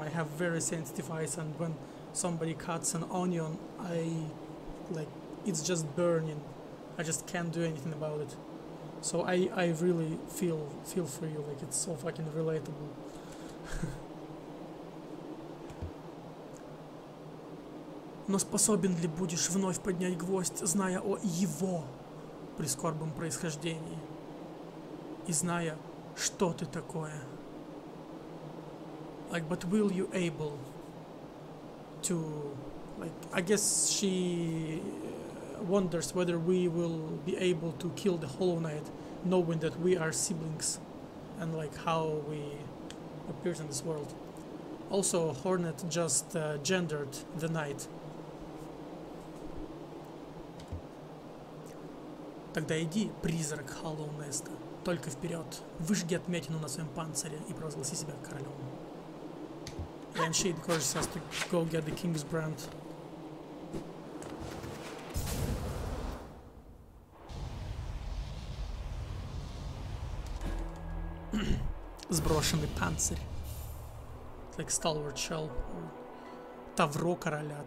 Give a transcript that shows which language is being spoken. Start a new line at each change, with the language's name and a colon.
English: I have very sensitive eyes, and when somebody cuts an onion, I like it's just burning. I just can't do anything about it. So I really feel for you, like it's so fucking relatable.
Russian: Но способен ли будешь вновь поднять гвоздь, зная о его прискорбном происхождении? И зная, что ты такое?
English: Like, but will you able to... Like, I guess she wonders whether we will be able to kill the Hollow Knight, knowing that we are siblings, and like how we appeared in this world. Also, Hornet just gendered the knight.
Russian: Тогда иди, призрак Hollow Nest, только вперед. Выжги отметину на своем панцире и провозгласи себя королем.
English: And she encourages us to go get the king's brand.
Russian: Сброшенный панцирь.
English: It's like stalwart shell.
Russian: Тавро короля.